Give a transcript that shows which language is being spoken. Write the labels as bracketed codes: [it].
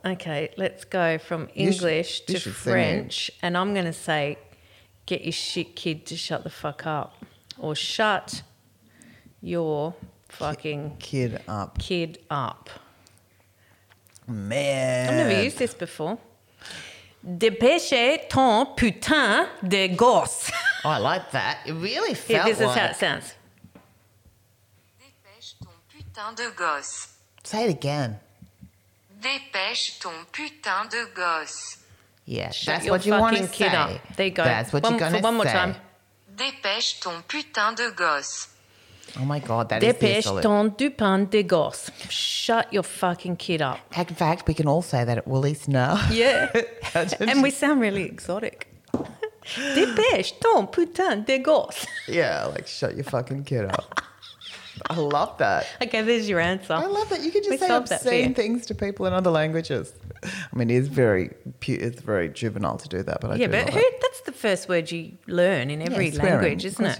[en] Okay, let's go from English to French. And I'm going to say, get your shit kid to shut the fuck up. Or shut your fucking kid up. Kid up. Man. I've never used this before. [fr] Dépêche ton putain de gosse. [en] Oh, I like that. It really felt like. This is how it sounds. [fr] Dépêche ton putain de gosse. [en] Say it again. [fr] Dépêche ton putain de gosse. [en] Yeah, that's what you want to say. Kid up. There you go. That's what you're going to say. One more time. [fr] Dépêche ton putain de gosse. [en] Oh, my God, that [fr] Dépêche [en] is the solid. [fr] Dépêche ton putain de gosse. [en] Shut your fucking kid up. In fact, we can all say that at Woolies now. Yeah. And we sound really exotic. [fr] Dépêche ton putain de gosse. [en] Yeah, like shut your fucking kid up. I love that. Okay, there's your answer. I love that. You can just say obscene things to people in other languages. I mean, it's very juvenile to do that, but that's the first word you learn in every language, isn't it?